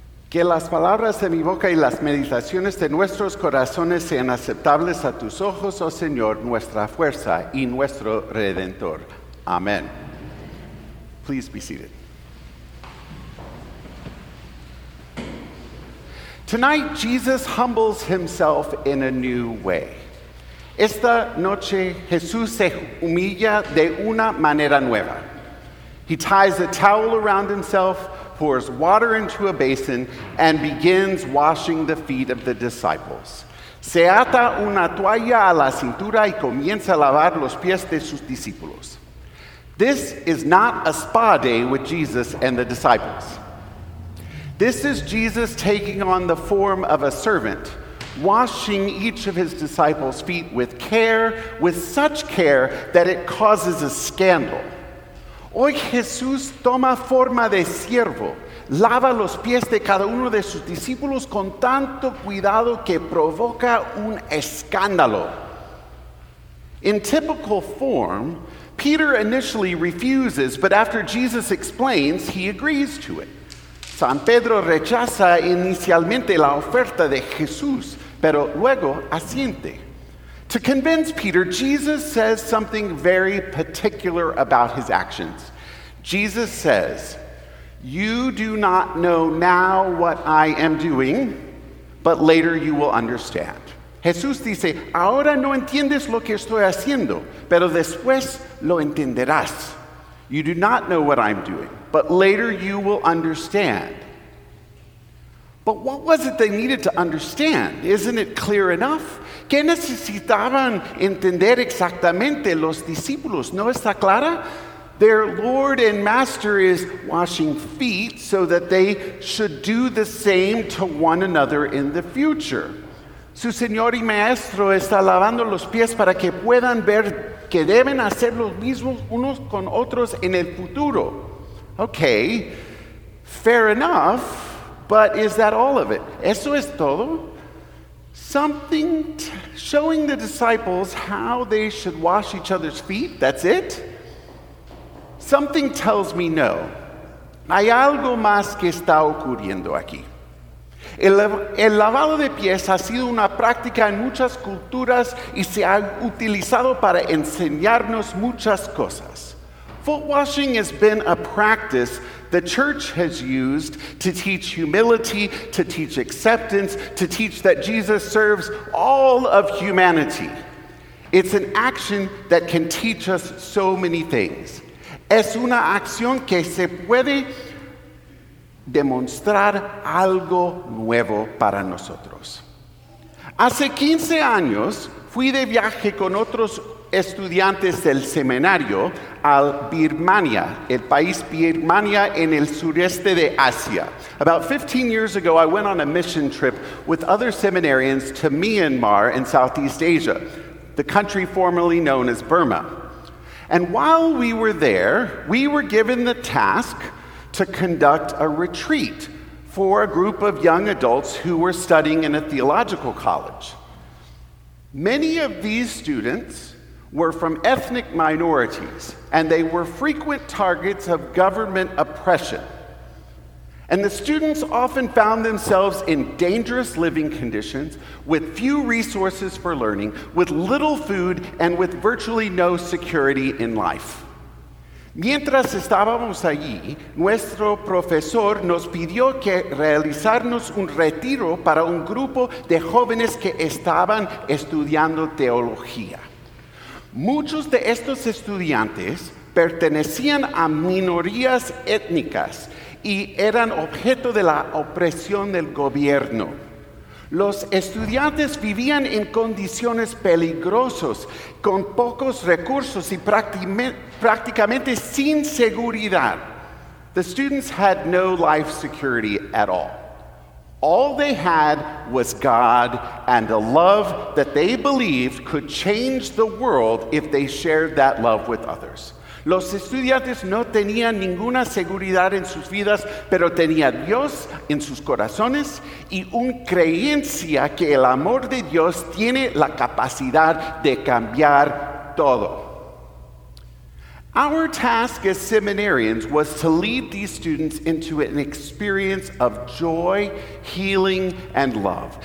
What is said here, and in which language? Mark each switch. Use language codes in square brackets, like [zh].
[es] Que las palabras de mi boca y las meditaciones de nuestros corazones sean aceptables a tus ojos, oh Señor, nuestra fuerza y nuestro redentor. Amén. [en] Please be seated. Tonight, Jesus humbles himself in a new way. [es] Esta noche, Jesús se humilla de una manera nueva. [en] He ties a towel around himself, pours water into a basin, and begins washing the feet of the disciples. [es] Se ata una toalla a la cintura y comienza a lavar los pies de sus discípulos. [en] This is not a spa day with Jesus and the disciples. This is Jesus taking on the form of a servant, washing each of his disciples' feet with care, with such care that it causes a scandal. [es] Hoy Jesús toma forma de siervo, lava los pies de cada uno de sus discípulos con tanto cuidado que provoca un escándalo. [en] In typical form, Peter initially refuses, but after Jesus explains, he agrees to it. [es] San Pedro rechaza inicialmente la oferta de Jesús, pero luego asiente. [en] To convince Peter, Jesus says something very particular about his actions. Jesus says, "You do not know now what I am doing, but later you will understand." [es] Jesús dice, "Ahora no entiendes lo que estoy haciendo, pero después lo entenderás." [en] You do not know what I'm doing, but later you will understand. But what was it they needed to understand? Isn't it clear enough? [es] ¿Qué necesitaban entender exactamente los discípulos? ¿No está clara? [en] Their Lord and Master is washing feet so that they should do the same to one another in the future. [es] Su Señor y Maestro está lavando los pies para que puedan ver que deben hacer los mismos unos con otros en el futuro. [en] Okay, fair enough, but is that all of it? [es] ¿Eso es todo? [en] Something showing the disciples how they should wash each other's feet, that's it? Something tells me no. [es] Hay algo más que está ocurriendo aquí. El lavado de pies ha sido una práctica en muchas culturas y se ha utilizado para enseñarnos muchas cosas. [en] Foot washing has been a practice the church has used to teach humility, to teach acceptance, to teach that Jesus serves all of humanity. It's an action that can teach us so many things. [es] Es una acción que se puede demostrar algo nuevo para nosotros. Hace 15 años fui de viaje con otros estudiantes del seminario al Birmania, el país Birmania en el sureste de Asia. [en] About 15 years ago, I went on a mission trip with other seminarians to Myanmar in Southeast Asia, the country formerly known as Burma. And while we were there, we were given the task to conduct a retreat for a group of young adults who were studying in a theological college. Many of these students were from ethnic minorities, and they were frequent targets of government oppression. And the students often found themselves in dangerous living conditions, with few resources for learning, with little food, and with virtually no security in life. [es] Mientras estábamos allí, nuestro profesor nos pidió que realizarnos un retiro para un grupo de jóvenes que estaban estudiando teología. Muchos de estos estudiantes pertenecían a minorías étnicas y eran objeto de la opresión del gobierno. Los estudiantes vivían en condiciones peligrosas, con pocos recursos y prácticamente sin seguridad. [en] The students had no life security at all. All they had was God and a love that they believed could change the world if they shared that love with others. [es] Los estudiantes no tenían ninguna seguridad en sus vidas, pero tenían Dios en sus corazones y una creencia que el amor de Dios tiene la capacidad de cambiar todo. [en] Our task as seminarians was to lead these students into an experience of joy, healing, and love.